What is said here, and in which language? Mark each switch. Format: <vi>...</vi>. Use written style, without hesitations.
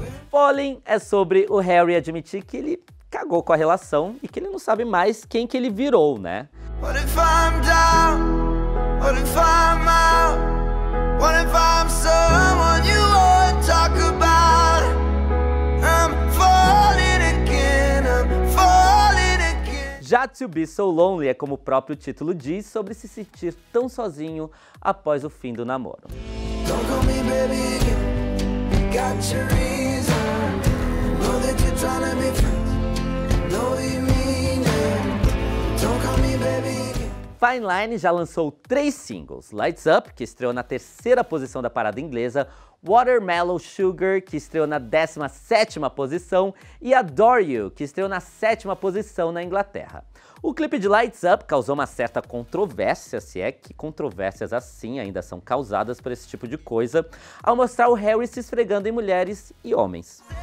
<pt>Falling é sobre o Harry admitir que ele cagou com a relação e que ele não sabe mais quem que ele virou, né?</pt> <en>What if I'm down? What if I'm out? What if I'm someone you won't talk about? I'm falling again, I'm falling again.</en> <pt>Já To Be So Lonely é como o próprio título diz, sobre se sentir tão sozinho após o fim do namoro.</pt> <en>Don't call me baby, got your reason. Know that you're trying to be friends. Know you mean it. Don't call me baby.</en> <pt>Fine Line já lançou 3 singles, Lights Up, que estreou na 3ª posição da parada inglesa, Watermelon Sugar, que estreou na 17ª posição, e Adore You, que estreou na 7ª posição na Inglaterra. O clipe de Lights Up causou uma certa controvérsia, se é que controvérsias assim ainda são causadas por esse tipo de coisa, ao mostrar o Harry se esfregando em mulheres e homens.</pt>